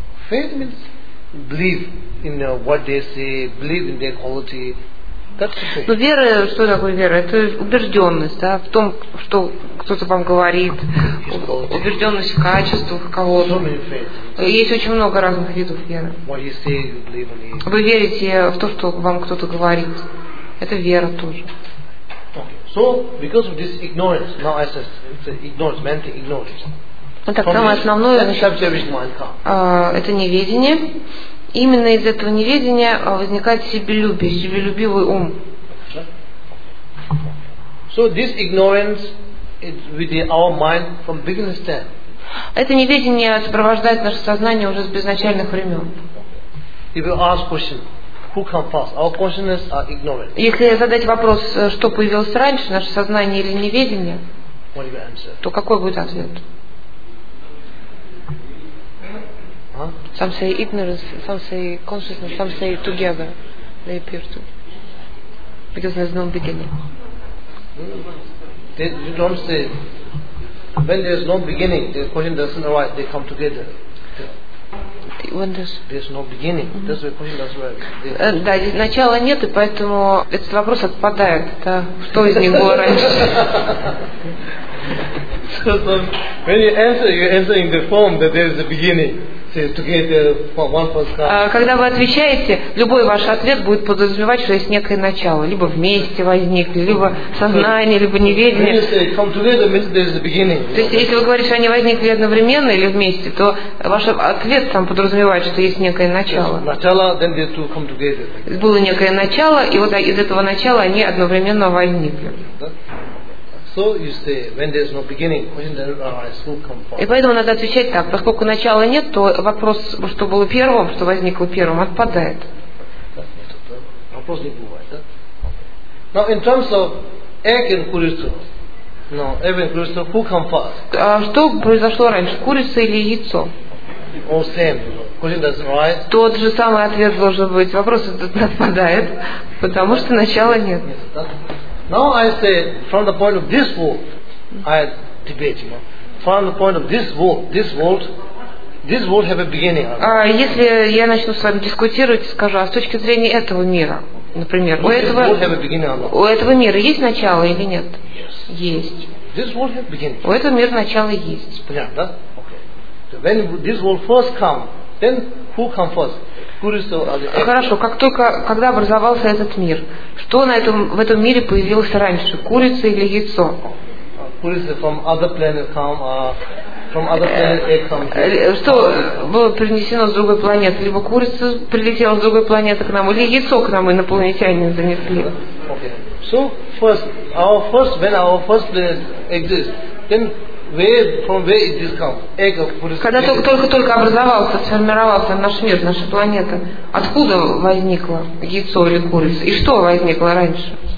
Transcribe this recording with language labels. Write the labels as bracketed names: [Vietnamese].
[English] Faith means believe in what they say, believe in their quality. [Russian] Но вера, что такое вера? Это убежденность, да, в том, что кто-то вам говорит, убежденность в качествах кого-то. Есть очень много разных видов веры. Вы верите в то, что вам кто-то говорит. Это вера тоже. [English] So, because of this ignorance, now I say it's ignorance, mental ignorance. [Russian] Итак, самое основное, это неведение. Именно из этого неведения возникает себелюбие, себелюбивый ум. [English] So this ignorance is within our mind from beginning to end. [Russian] Это неведение сопровождает наше сознание уже с безначальных времен. [English] If you ask question, who comes first? Our consciousness or ignorance? [Russian] Если задать вопрос, что появилось раньше, наше сознание или неведение, то какой будет ответ? Huh? [English] Some say ignorance, some say consciousness, some say together they appear to. Because there's no beginning. You don't say when there's no beginning, the question doesn't arise, they come together. When there's no beginning, mm-hmm. That's why the question doesn't arise. [Russian] Да, здесь начала нет, и поэтому этот вопрос отпадает. Да? Что из него раньше? [English] So when you answer in the form that there is a beginning. [Russian] Когда вы отвечаете, любой ваш ответ будет подразумевать, что есть некое начало. Либо вместе возникли, либо сознание, либо неведение. То есть, если вы говорите, что они возникли одновременно или вместе, то ваш ответ там подразумевает, что есть некое начало. Было некое начало, и вот из этого начала они одновременно возникли. [English] So you say when there's no beginning, when there arises, who come first? [Russian] И поэтому надо отвечать так: поскольку начала нет, то вопрос, что было первым, что возникло первым, отпадает. Вопрос не бывает, да? [English] Now in terms of egg and курица, no, egg and курица, who come first? [Russian] А что произошло раньше, курица или яйцо? [English] All same, question doesn't arise. [Russian] Тот же самый ответ должен быть. Вопрос этот отпадает, потому что начала нет. [English] Now I say, from the point of this world, I debate, you know, from the point of this world have a beginning. [Russian] Если я начну с вами дискутировать, скажу, а с точки зрения этого мира, например, у этого мира есть начало или нет? [English] Yes. [Russian] Есть. [English] This world have beginning. [Russian] У этого мира начало есть. Понятно, да? [English] Okay. So when this world first come, then who come first? [Russian] Хорошо, как только, когда образовался этот мир, что в этом мире появилось раньше, курица или яйцо? [English] Курица from other planet come, from other planet egg come. [Russian] Что было принесено с другой планеты? Либо курица прилетела с другой планеты к нам, или яйцо к нам инопланетяне занесли. [English] Okay. So first, when our first planet exists, then from where it is come? Egg of Buddhist. [Russian] Когда только образовался, сформировался наш мир, наша планета, откуда возникло яйцо или курица? И что возникло раньше?